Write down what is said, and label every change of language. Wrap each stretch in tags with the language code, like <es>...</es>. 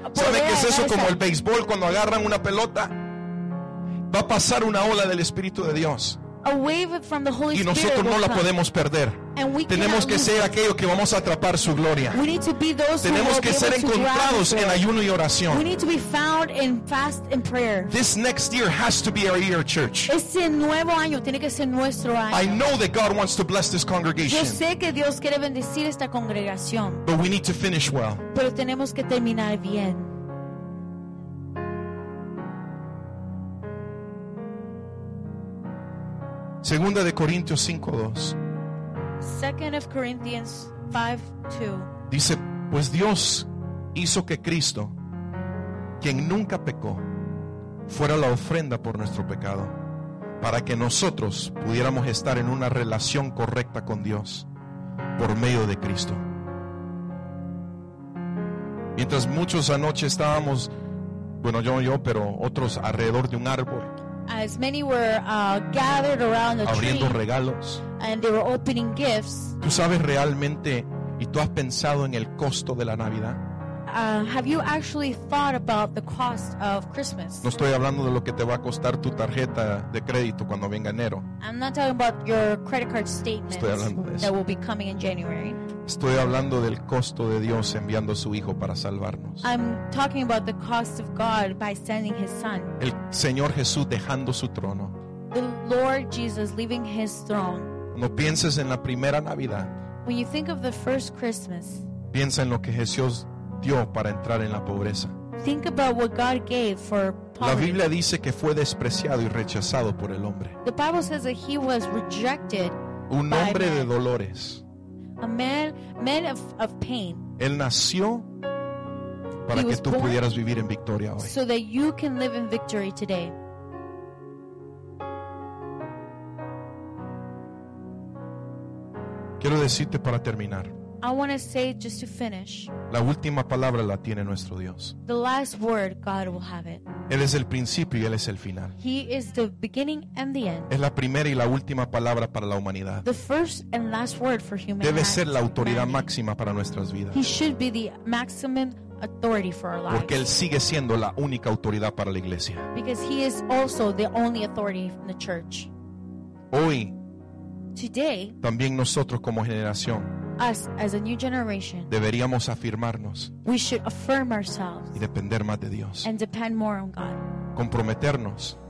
<es>¿saben qué es eso? Como el béisbol cuando agarran una pelota, va a pasar una ola del Espíritu de Dios.</es> <en>A wave from the Holy</en> <es>y nosotros</es> <en>Spirit</en> <es>no la podemos perder. Tenemos que ser aquello que vamos a atrapar su gloria. Tenemos que ser encontrados en ayuno y oración.</es> <en>We need to be found in fast and prayer. This next year has to be our year, church.</en> <es>Este nuevo año tiene que ser nuestro año.</es> <en>I know that God wants to bless this congregation.</en> <es>Yo sé que Dios quiere bendecir esta congregación.</es> <en>But we need to finish well.</en> <es>Pero tenemos que terminar bien. Segunda de Corintios 5:2.</es> <en>Second of Corinthians 5:2.</en> <es>Dice, pues Dios hizo que Cristo, quien nunca pecó, fuera la ofrenda por nuestro pecado, para que nosotros pudiéramos estar en una relación correcta con Dios por medio de Cristo. Mientras muchos anoche estábamos, bueno, yo, pero otros alrededor de un árbol,</es> <en>as many were gathered around the</en> <es>abriendo</es> <en>tree,</en> <es>regalos,</es> <en>and they were opening gifts.</en> <es>¿Tú sabes realmente y tú has pensado en el costo de la Navidad?</es> <en>Have you actually thought about the cost of Christmas?</en> <es>No estoy hablando de lo que te va a costar tu tarjeta de crédito cuando venga enero.</es> <en>I'm not talking about your credit card statement.</en> <es>Estoy hablando de eso.</es> <en>That will be coming in January.</en> <es>Estoy hablando del costo de Dios enviando a su hijo para salvarnos.</es> <en>I'm talking about the cost of God by sending his son.</en> <es>El Señor Jesús dejando su trono.</es> <en>The Lord Jesus leaving his throne.</en> <es>No pienses en la primera Navidad.</es> <en>When you think of the first Christmas,</en> <es>piensa en lo que Jesús dio para entrar en la pobreza.</es> <en>Think about what God gave for poverty.</en> <es>La Biblia dice que fue despreciado y rechazado por el hombre.</es> <en>The Bible says that he was rejected.</en> <es>Un hombre de dolores.</es> <en>A man of pain.</en> <es>Él nació para que tú pudieras vivir en victoria hoy.</es> <en>So that you can live in victory today.</en> <es>Quiero decirte para terminar.</es> <en>I want to say just to finish.</en> <es>La última palabra la tiene nuestro Dios.</es> <en>The last word, God will have it.</en> <es>Él es el principio y Él es el final.</es> <en>He is the beginning and the end.</en> <es>Es la primera y la última palabra para la humanidad.</es> <en>The first and last word for humanity.</en> <es>Debe ser la autoridad máxima para nuestras vidas.</es> <en>He should be the maximum authority for our lives.</en> <es>Porque Él sigue siendo la única autoridad para la iglesia.</es> <en>Because He is also the only authority in the church.</en> <es>Hoy,</es> <en>today,</en> <es>también nosotros como generación,</es> <en>us as a new generation,</en> <es>deberíamos afirmarnos,</es> <en>we should affirm ourselves,</en> <es>y depender más de Dios,</es> <en>and depend more on God,</en> <es>comprometernos,</es>